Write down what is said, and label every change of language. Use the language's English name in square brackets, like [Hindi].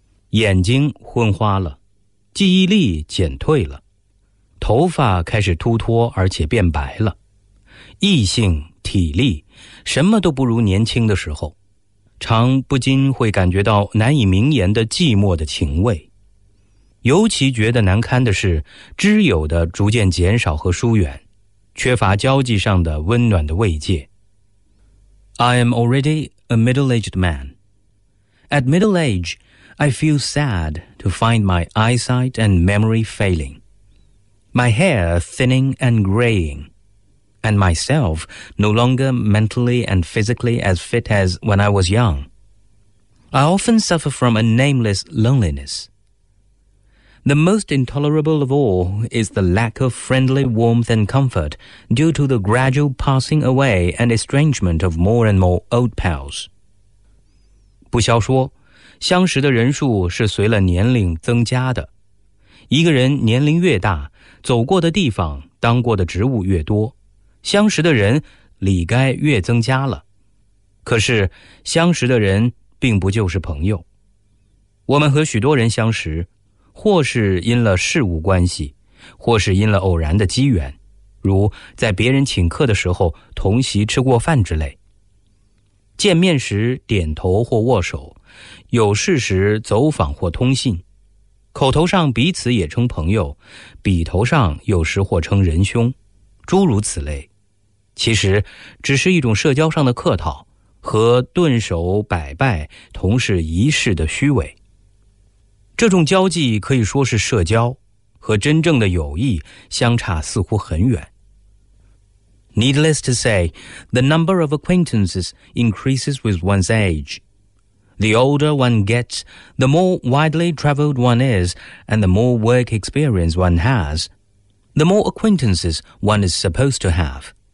[Chinese] 眼睛昏花了，记忆力减退了，头发开始秃脱而且变白了，异性体力什么都不如年轻的时候，常不禁会感觉到难以名言的寂寞的情味。尤其觉得难堪的是知友的逐渐减少和疏远，缺乏交际上的温暖的慰藉。 [English] I am already a middle-aged man. At middle age,I feel sad to find my eyesight and memory failing, my hair thinning and graying, and myself no longer mentally and physically as fit as when I was young. I often suffer from a nameless loneliness. The most intolerable of all is the lack of friendly warmth and comfort due to the gradual passing away and estrangement of more and more old pals. [Chinese] 不消说相识的人数是随了年龄增加的，一个人年龄越大，走过的地方、当过的职务越多，相识的人理该越增加了。可是相识的人并不就是朋友，我们和许多人相识，或是因了事务关系，或是因了偶然的机缘，如在别人请客的时候同席吃过饭之类，见面时点头或握手，有事时走访或通信，口头上彼此也称朋友，笔头上有时或称仁兄，诸如此类，其实只是一种社交上的客套和顿首摆拜同是仪式的虚伪。这种交际可以说是社交，和真正的友谊相差似乎很远。 [English] Needless to say, the number of acquaintances increases with one's ageThe older one gets, the more widely traveled one is, and the more work experience one has, the more acquaintances one is supposed to have.